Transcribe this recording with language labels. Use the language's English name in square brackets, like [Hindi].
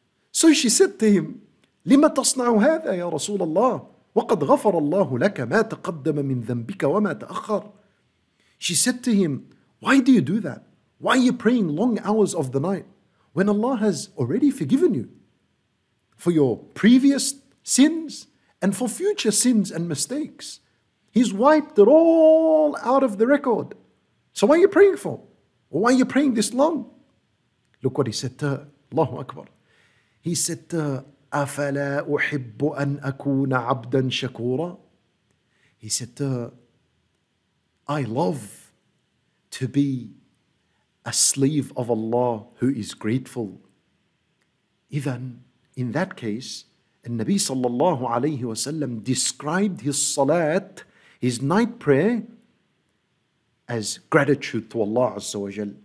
[English] So she said to him, [Arabic] لِمَ تَصْنَعُ هَذَا يَا رَسُولَ اللَّهِ وَقَدْ غَفَرَ اللَّهُ لَكَ مَا تَقَدَّمَ مِنْ ذَنْبِكَ وَمَا تَأَخَّرَ. [English] She said to him, why do you do that? Why are you praying long hours of the night when Allah has already forgiven you for your previous sins and for future sins and mistakes? He's wiped it all out of the record. So why are you praying for? Why are you praying this long? Look what he said to her. Allahu Akbar. He said to her, [Arabic] أَفَلَا أُحِبُّ أَنْ أَكُونَ عَبْدًا شَكُورًا. [English] He said to her, I love to be a slave of Allah who is grateful. Even in that case, and Nabi sallallahu alayhi wa sallam described his salat, his night prayer, as gratitude to Allah Azza wa Jal.